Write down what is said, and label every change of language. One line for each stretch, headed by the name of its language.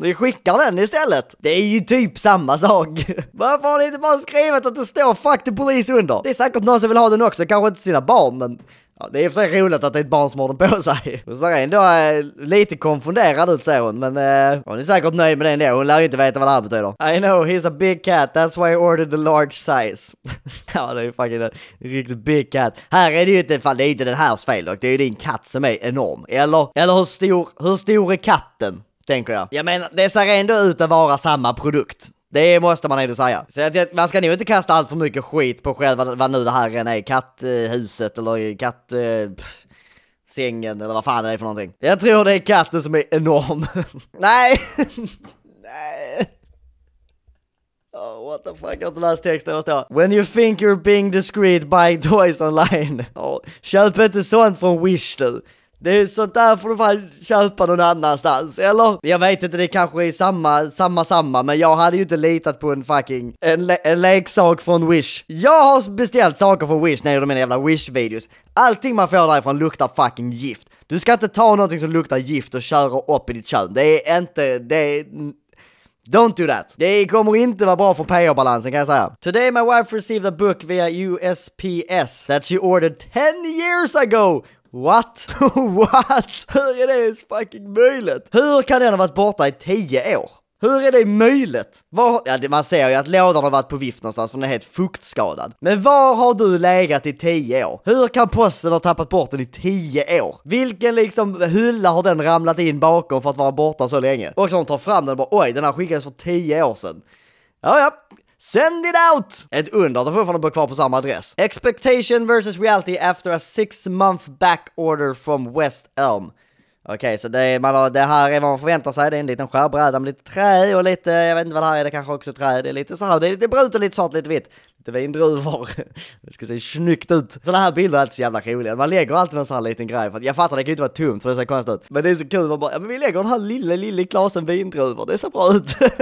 Swedish: Vi skickar den istället. Det är ju typ samma sak. Varför har ni inte bara skrivit att det står
English: fuck the police
Swedish: under? Det är säkert någon som vill ha den också. Kanske inte sina barn, men... Ja, det är för sig roligt att det är ett barn som har den på sig. Hon ser ändå lite konfunderad ut, säger hon. Men hon är säkert nöjd med det ändå. Hon lär ju inte veta vad det här betyder.
English: I know, he's a big cat. That's why I ordered the large size.
Swedish: Ja, det är ju fucking en riktigt big cat. Här är det ju inte, fan, det är inte den här fel dock. Det är ju din katt som är enorm. Eller hur stor är katten, tänker jag. Jag menar, det ser ändå ut att vara samma produkt. Det måste man ändå säga. Så att man ska nog inte kasta allt för mycket skit på själva vad nu det här är. Katthuset eller sängen eller vad fan det är för någonting. Jag tror det är katten som är enorm. Nej! Nej!
English: Oh, what the fuck,
Swedish: jag har inte läst texten.
English: When you think you're being discreet buying toys online. Oh,
Swedish: köp inte sånt från Wish, du. Det är sånt där får du fan köpa någon annanstans, eller? Jag vet inte, det kanske är samma, men jag hade ju inte litat på en fucking en leksak från Wish. Jag har beställt saker från Wish, när de mina jävla Wish-videos. Allting man får därifrån luktar fucking gift. Du ska inte ta någonting som luktar gift och köra upp i ditt kön. Det är inte, det är...
English: Don't do that.
Swedish: Det kommer inte vara bra för PR-balansen, kan jag säga.
English: Today my wife received a book via USPS that she ordered 10 years ago. What? What?
Swedish: Hur är det ens fucking möjligt? Hur kan den ha varit borta i 10 år? Hur är det möjligt? Ja, man ser ju att lådan har varit på vift någonstans för den är helt fuktskadad. Men var har du legat i 10 år? Hur kan posten ha tappat bort den i 10 år? Vilken liksom hylla har den ramlat in bakom för att vara borta så länge? Och så tar fram den och bara, oj, den här skickades för 10 år sedan. Ja, ja.
English: Send it out!
Swedish: Ett under, då får man bo kvar på samma adress.
English: Expectation versus reality after a 6-month back order from West Elm.
Swedish: Okej, så det, man har, det här är vad man förväntar sig. Det är en liten skärbräda med lite trä och lite, jag vet inte vad det här är, det kanske också trä. Det är lite så här, det är lite brunt och lite svart, lite vitt. Lite vindruvor. Det ska se snyggt ut. Sådana här bilder är alltid så jävla roliga. Man lägger alltid en sån här liten grej. För att jag fattar, det kan ju inte vara tomt för det ser konstigt ut. Men det är så kul, man bara, ja, men vi lägger den här lilla glasen vindruvor. Det ser bra ut.